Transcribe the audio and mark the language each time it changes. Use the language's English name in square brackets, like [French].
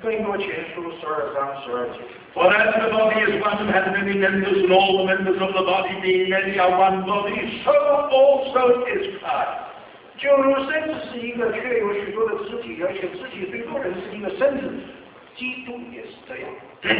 [Chinese] 第二天，我早上的读经就读到，我哎，更多前书12章12节。 [English] For as the body is one and has many members, and all the members of the body being many are one body, so also is Christ. [Chinese] 就如身子是一个，却有许多的肢体，而且肢体虽多人是一个身子，基督也是这样。Then